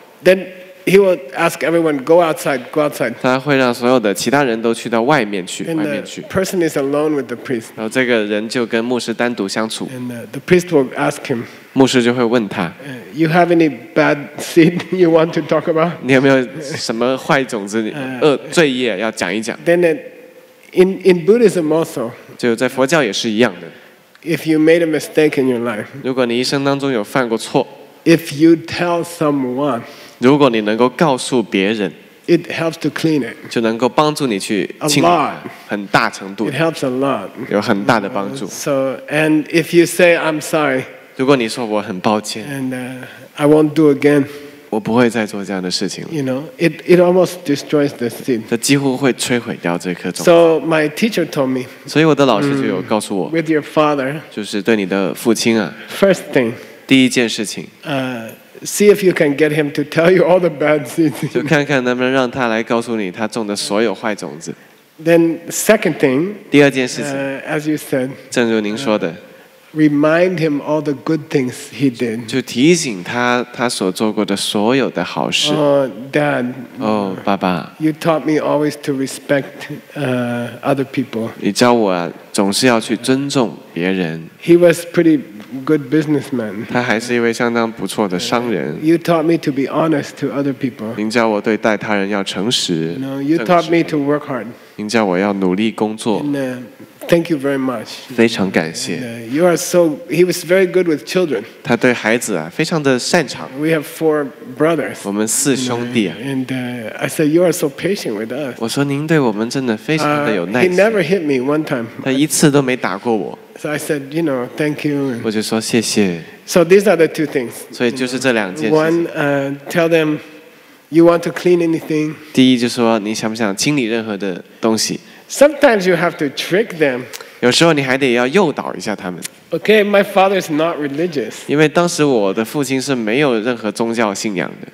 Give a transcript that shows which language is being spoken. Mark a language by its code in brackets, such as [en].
[en] Then he will ask everyone go outside, go outside [zh] 他会让所有的其他人都去到外面去 [en] And the person is alone with the priest [zh] 然后这个人就跟牧师单独相处 [en] And the priest will ask him [zh] 牧师就会问他 [en] You have any bad seed you want to talk about? [zh] 你有没有什么坏种子罪业要讲一讲 [en] Then in Buddhism also [zh] 就在佛教也是一样的 [en] If you made a mistake in your life [zh] 如果你一生当中有犯过错 [en] If you tell someone [zh] 如果你能够告诉别人 [en] it helps to clean it. [zh] 就能够帮助你去清理很大程度 [en] it helps a lot. [zh] 有很大的帮助 [en] so, and if you say, I'm sorry, [zh] 如果你说我很抱歉 [en] and, I won't do again, [zh] 我不会再做这样的事情了 [en] you know, it almost destroys the seed. [zh] 这几乎会摧毁掉这颗种 [en] so, my teacher told me, [zh] 所以我的老师就有告诉我 [en] with your father, [zh] 就是对你的父亲啊 [en] first thing, [zh] 第一件事情 [en] See if you can get him to tell you all the bad seeds. [zh] 就看看能不能让他来告诉你他种的所有坏种子。 [en] Then second thing. [zh] 第二件事情。 [en] As you said. [zh] 正如您说的。 [en] Remind him all the good things he did. [zh] 就提醒他他所做过的所有的好事。 [en] Oh, Dad. [zh] 哦，爸爸。 [en] You taught me always to respect other people. [zh] 你教我总是要去尊重别人。 [en] He was pretty. Good businessman. [zh] 他还是一位相当不错的商人。 [en] You taught me to be honest to other people. [zh] 您教我对待他人要诚实。 [en] No, you taught me to work hard. [zh] 您教我要努力工作。 [en] Thank you very much. [zh] 非常感谢。 [en] You are so. He was very good with children. [zh] 他对孩子啊非常的擅长。 [en] We have four brothers. [zh] 我们四兄弟啊。 [en] And I said you are so patient with us. [zh] 我说您对我们真的非常的有耐心。 [en] He never hit me one time. [zh] 他一次都没打过我。 [en] So I said, you know, thank you. [zh] 我就说谢谢。 [en] So these are the two things. [zh] 所以就是这两件事。 [en] One, tell them you want to clean anything. [zh] 第一就是说你想不想清理任何的东西。 [en] Sometimes you have to trick them. [zh] 有时候你还得要诱导一下他们。 [en] Okay, my father is not religious. [zh] 因为当时我的父亲是没有任何宗教信仰的。